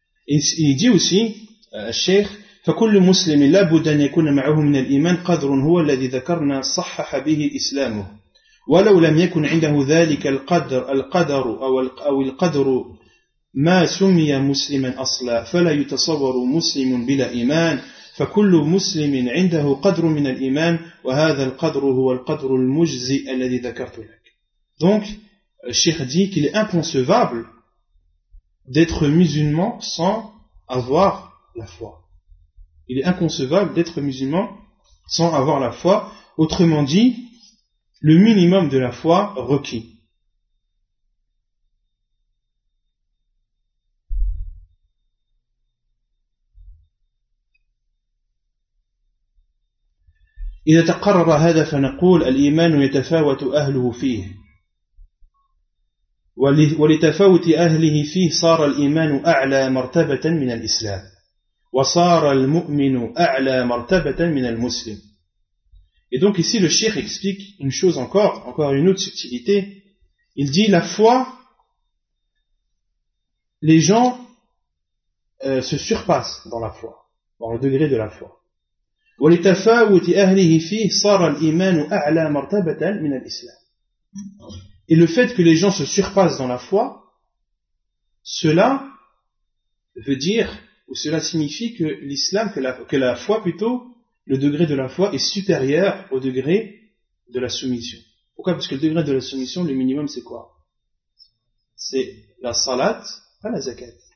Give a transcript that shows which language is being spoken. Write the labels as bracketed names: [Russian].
[French] Il dit aussi, Cheikh, [Arabic] فكل مسلم لا بد أن يكون معه من الإيمان قدر هو الذي ذكرنا صحح به إسلامه ولو لم يكن عنده ذلك القدر أو القدر ما سمي مسلما أصلا فلا يتصور مسلم بلا إيمان فكل مسلم عنده قدر من الإيمان وهذا القدر هو القدر المجزي الذي ذكرت لك. [French] Donc, le Cheikh dit qu'il est inconcevable d'être musulman sans avoir la foi. Il est inconcevable d'être musulman sans avoir la foi. Autrement dit, le minimum de la foi requis. [Arabic] إذا تقرر هذا فنقول الإيمان يتفاوت أهله فيه ولتفاوت أهله فيه صار الإيمان أعلى مرتبة من الإسلام وصار المؤمن أعلى مرتبة من المسلم. [French] Et donc ici le cheikh explique une chose encore une autre subtilité. Il dit la foi, les gens se surpassent dans la foi, dans le degré de la foi. [Arabic] ولتفاوت أهله فيه صار الإيمان أعلى مرتبة من الإسلام. [French] Et le fait que les gens se surpassent dans la foi, cela veut dire, ou cela signifie que l'islam, que la foi plutôt, le degré de la foi est supérieur au degré de la soumission. Pourquoi? Parce que le degré de la soumission, le minimum, c'est quoi? C'est la salat, pas la zakat.